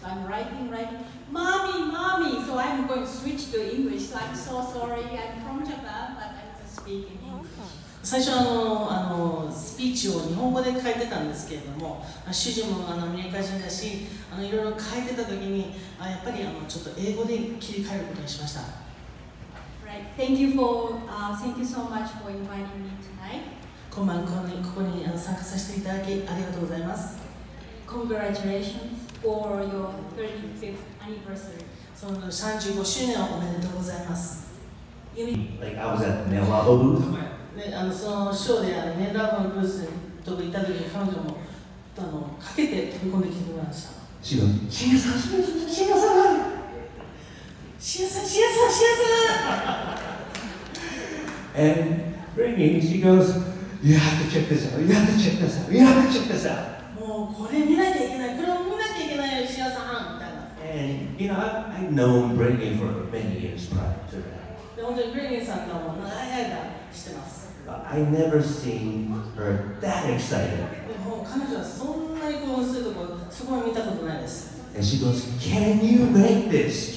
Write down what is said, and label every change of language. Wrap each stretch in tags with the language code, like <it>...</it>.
<en>。 So、I'm writing, Mommy, Mommy! So I'm going to switch to English. So I'm so sorry. I'm from Japan, but I'm just speaking.</en> <ja>最初あのスピーチを日本語で書いてたんですけれども、主人もアメリカ人だし、いろいろ書いてた時に、やっぱりちょっと英語で切り替えることにしました。</ja> <en>Right. Thank you for, thank you so much for inviting me tonight.</en> <ja>今晩ここに参加させていただきありがとうございます。</ja> <en>Congratulations for your 35th anniversary.</en> <ja>その35周年をおめでとうございます。</ja> <en>Like I was at the Nelabo booth.</en> <ja>そのショーでネイルラボのブースにとこ行った時に彼女もかけて飛び込んできてくれました。シアさん、シアさん、シアさん、シアさん、シアさん。</ja> <en>And ringing, she goes, you have to check this out, you have to check this out, you have to check this out.</en> <ja>もうこれ見なきゃいけない、これを見なきゃいけないよ、シアさん。</ja> <en>And you know, I've known Brittany for many years prior to that. I never seen her that excited. And she goes, Can you make this?</en>